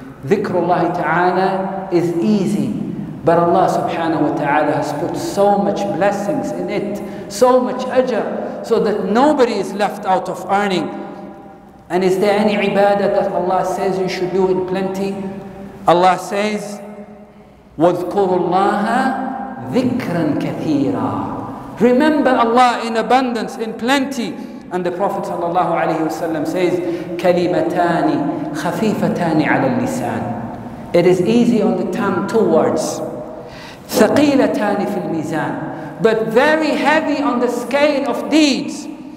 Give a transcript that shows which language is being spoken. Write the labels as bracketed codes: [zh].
[en] Dhikrullah Ta'ala is easy, but Allah Subhanahu Wa Ta'ala has put so much blessings in it, so much ajr, so that nobody is left out of earning. And is there any ibadah that Allah says you should do in plenty? Allah says, [ar] وَذْكُرُ اللَّهَ ذِكْرًا كَثِيرًا. [en] Remember Allah in abundance, in plenty. And the Prophet sallallahu alaihi wasallam says, [ar] كَلِمَتَانِ خَفِيفَتَانِ عَلَى اللِّسَانِ. [en] It is easy on the tongue, two words. [ar] ثَقِيلَتَانِ فِي الْمِيزَانِ. [en] But very heavy on the scale of deeds.